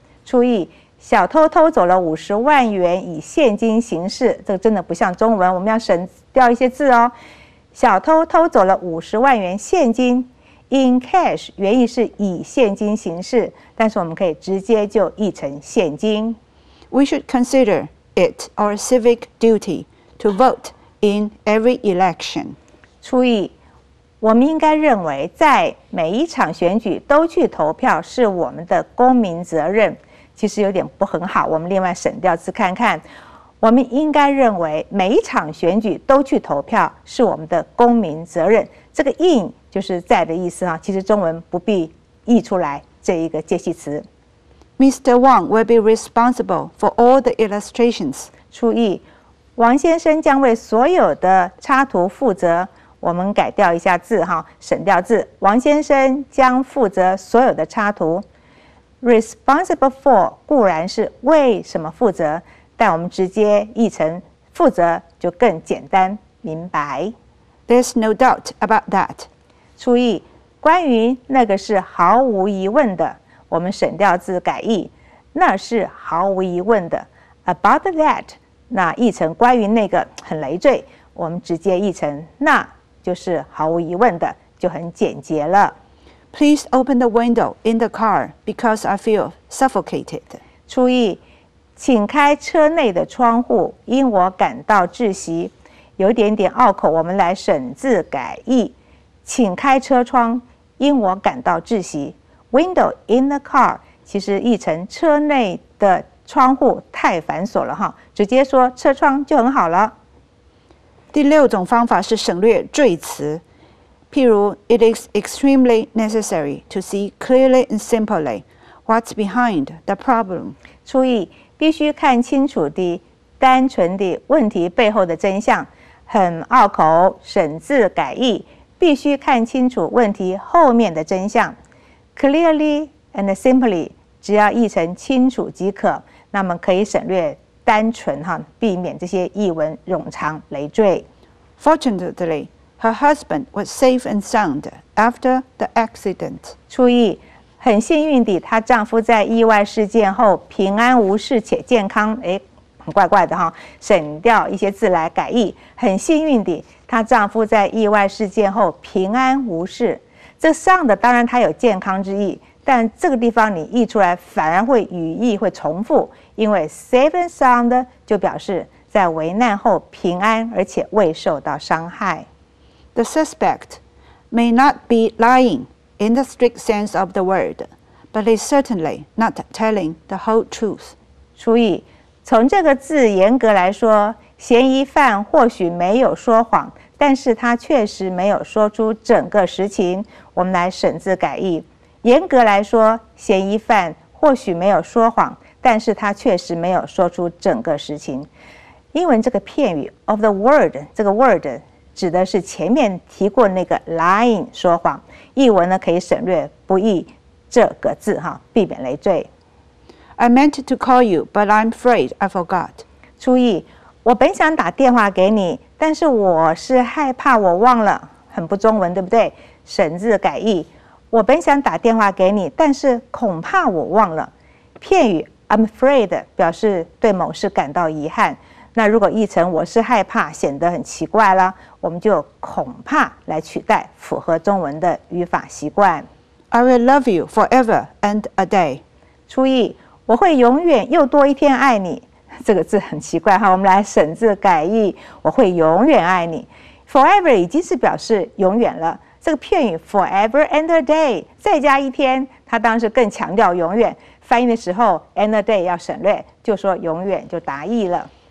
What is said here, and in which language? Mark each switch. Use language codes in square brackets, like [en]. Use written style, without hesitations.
[zh] 注意，小偷偷走了50万元以现金形式，这真的不像中文，我们要省掉一些字哦。小偷偷走了50万元现金， [en] in cash [zh] 原意是以现金形式，但是我们可以直接就译成现金。 [en] We should consider it our civic duty to vote in every election. [zh] 注意，我们应该认为在每一场选举都去投票是我们的公民责任。其实有点不很好，我们另外省掉字看看。我们应该认为每一场选举都去投票是我们的公民责任。这个 in 就是在的意思啊，其实中文不必译出来这一个介系词。 [en] Mr. Wang will be responsible for all the illustrations. [zh] 注意，王先生将为所有的插图负责。我们改掉一下字哈，省掉字。王先生将负责所有的插图。 [en] Responsible for [zh] 固然是为什么负责，但我们直接译成负责就更简单明白。 [en] There's no doubt about that. [zh] 注意，关于那个是毫无疑问的。我们省掉字改译，那是毫无疑问的。 [en] About that， [zh] 那译成关于那个很累赘，我们直接译成那就是毫无疑问的，就很简洁了。 [en] Please open the window in the car because I feel suffocated. [zh] 注意，请开车内的窗户，因我感到窒息，有点点拗口。我们来省字改译，请开车窗，因我感到窒息。 [en] Window in the car [zh] 其实译成车内的窗户太繁琐了哈，直接说车窗就很好了。第六种方法是省略赘词，譬如 [en] It is extremely necessary to see clearly and simply what's behind the problem. [zh] 注意，必须看清楚的、单纯的问题背后的真相。很拗口，省字改译，必须看清楚问题后面的真相。 [en] Clearly and simply， [zh] 只要译成清楚即可，那么可以省略单纯哈，避免这些译文冗长累赘。 [en] Fortunately, her husband was safe and sound after the accident. [zh] 注意，很幸运地，她丈夫在意外事件后平安无事且健康。哎，很怪怪的哈，省掉一些字来改译。很幸运地，她丈夫在意外事件后平安无事。这上的当然它有健康之意，但这个地方你译出来反而会语义会重复，因为 [en] safe and sound [zh] 就表示在危难后平安而且未受到伤害。 [en] The suspect may not be lying in the strict sense of the word, but he's certainly not telling the whole truth. [zh] 注意，从这个字严格来说，嫌疑犯或许没有说谎，但是他确实没有说出整个实情。我们来省字改译，严格来说，嫌疑犯或许没有说谎，但是他确实没有说出整个实情。英文这个片语 [en] of the word， [zh] 这个 word 指的是前面提过那个 lying 说谎，译文呢可以省略不译这个字哈，避免累赘。 [en] I meant to call you, but I'm afraid I forgot. [zh] 注意，我本想打电话给你，但是我是害怕我忘了，很不中文，对不对？省字改译，我本想打电话给你，但是恐怕我忘了。片语 [en] I'm afraid [zh] 表示对某事感到遗憾，那如果译成我是害怕，显得很奇怪了，我们就恐怕来取代，符合中文的语法习惯。 [en] I will love you forever and a day. [zh] 注意，我会永远又多一天爱你。这个字很奇怪，我们来省字改译，我会永远爱你。 Forever 已经是表示永远了，这个片语 [en] forever and a day [zh] 再加一天，它当然是更强调永远，翻译的时候 [en] and a day [zh] 要省略，就说永远就答意了。